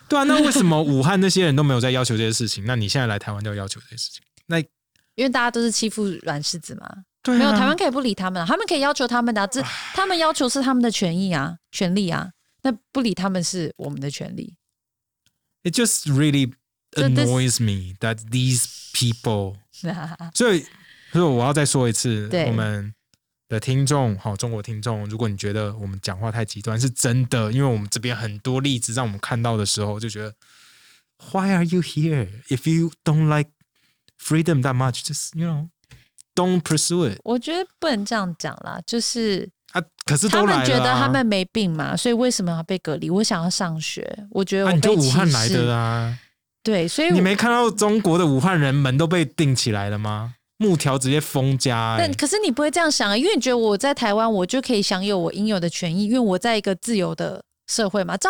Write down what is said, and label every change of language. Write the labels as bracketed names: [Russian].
[Chinese] 对啊，那为什么武汉那些人都没有在要求这些事情？那你现在来台湾就要求这些事情？那因为大家都是欺负软柿子嘛，对啊，没有，台湾可以不理他们，他们可以要求他们的，啊，他们要求是他们的权益啊，权利啊，那不理他们是我们的权利。 [English] It just really annoys me that these people [Chinese] 所以我要再说一次，对，我们的听众，中国听众，如果你觉得我们讲话太极端，是真的，因为我们这边很多例子让我们看到的时候就觉得 [English] Why are you here? If you don't like freedom that much, just, you know, don't pursue it. [Chinese] 我觉得不能这样讲啦，就是啊，可是都来了啊，他们觉得他们没病嘛，所以为什么要被隔离？我想要上学，我觉得我被歧视，啊，你就武汉来的啦，对，所以你没看到中国的武汉人门都被钉起来了吗？木条直接封家，欸，但可是你不会这样想，因为你觉得我在台湾我就可以享有我应有的权益，因为我在一个自由的社会嘛。